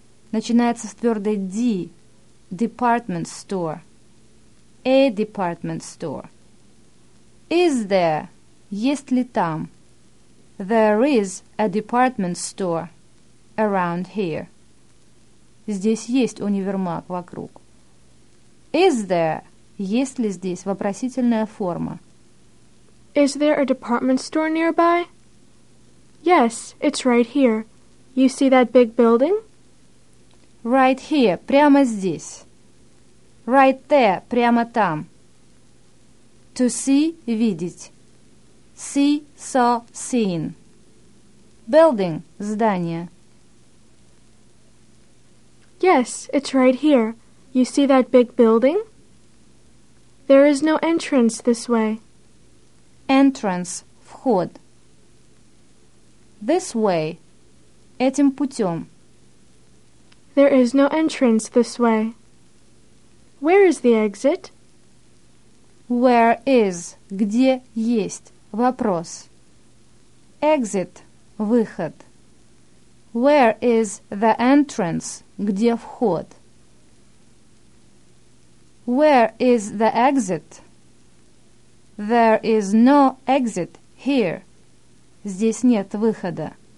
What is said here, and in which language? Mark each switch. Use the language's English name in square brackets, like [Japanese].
[Russian] Начинается с твердой D. [English] Department store. A department store. Is there... [Russian] Есть ли там? [English] There is a department store around here. [Russian] Здесь есть универмаг вокруг. [English] Is there? [Russian] Есть ли здесь? Вопросительная форма. [English] Is there a department store nearby? Yes, it's right here. You see that big building? Right here, [Russian] прямо здесь. [English] Right there, [Russian] прямо там. [English] To see, [Russian] видеть. [English] See, saw, seen. Building, [Russian] здание. [English] Yes, it's right here. You see that big building? There is no entrance this way. Entrance, [Russian] вход. [English] This way, [Russian] этим путем. [English] There is no entrance this way. Where is the exit? Where is, [Russian] где есть, вопрос. [English] Exit, [Russian] выход. [English] Where is the entrance, [Russian] где вход? [English] Where is the exit? There is no exit here. [Russian] Здесь нет выхода.